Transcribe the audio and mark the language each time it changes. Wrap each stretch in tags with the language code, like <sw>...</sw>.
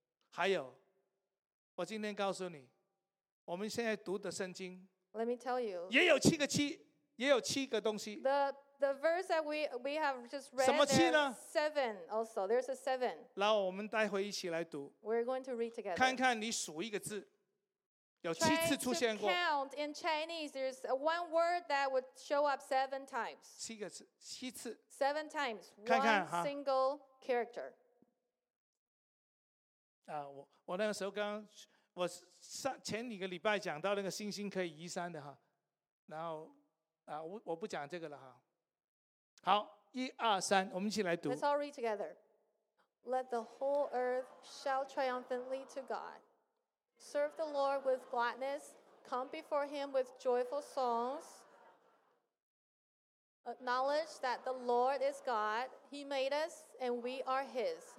<zh>还有，我今天告诉你，我们现在读的圣经</zh> <en>，Let me tell you，</en> <zh>也有七个七，也有七个东西。</zh> <en>The verse that we have just read</en> <zh>什么七呢</zh> <en>？Seven also. There's a seven.</en> <zh>然后我们待会一起来读。</zh> <en>We're going to read together.</en> <zh>看看你数一个字。有七次出现过。</zh> <en>Count in Chinese, there's one word that would show up seven times.</en> <zh>七个字，七次。</zh> <en>Seven times,</en> <zh>看看</zh> <en>one single character.</en> <zh>啊，我那个时候刚，我上前几个礼拜讲到那个星星可以移山的哈，然后啊，我不讲这个了哈。好，一二三，我们一起来读。</zh> <en>Let's all read together. Let the whole earth shout triumphantly to God. Serve the Lord with gladness. Come before Him with joyful songs. Acknowledge that the Lord is God. He made us, and we are His.</en>